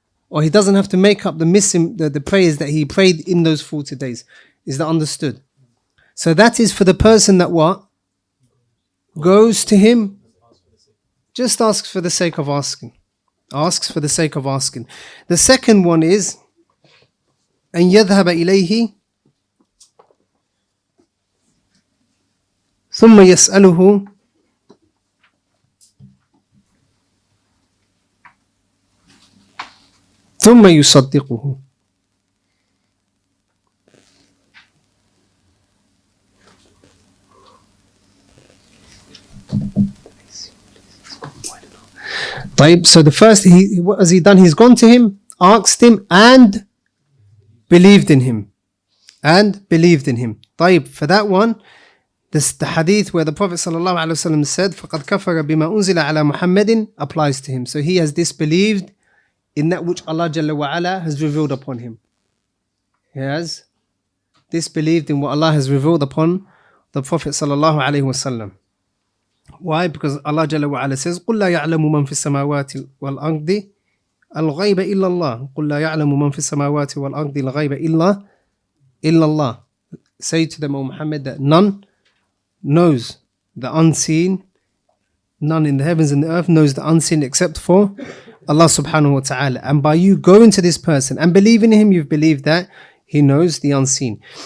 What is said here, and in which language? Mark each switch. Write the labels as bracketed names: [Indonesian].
[English] Or he doesn't have to make up the prayers that he prayed in those 40 days. Is that understood? So that is for the person that what? Goes to him, just asks for the sake of asking. Asks for the sake of asking. The second one is, [Arabic] أن يذهب إليه ثم يسأله ثم يصدقه. [English] طيب, so the first, what has he done? He's gone to him, asked him, and believed in him. And believed in him. طيب, for that one, this the hadith where the Prophet sallallahu alaihi wasallam said, [Arabic] فَقَدْ كَفَرَ بِمَا أُنزِلَ عَلَى مُحَمَّدٍ, [English] applies to him. So he has disbelieved in that which Allah jalla wa ala has revealed upon him. He has disbelieved in what Allah has revealed upon the Prophet sallallahu alaihi wasallam. Why? Because Allah jalla wa ala says, [Arabic] قُلْ لَا يَعْلَمُ مَنْ فِي السَّمَاوَاتِ وَالْأَرْضِ الْغَيْبَ إِلَّا اللَّهِ. قُلْ لَا يَعْلَمُ مَنْ فِي السَّمَاوَاتِ وَالْأَرْضِ الْغَيْبَ إِلَّا اللَّهِ. [English] Say to them, O Muhammad, that none knows the unseen, none in the heavens and the earth knows the unseen except for Allah subhanahu wa ta'ala. And by you going to this person and believing in him, you've believed that he knows the unseen.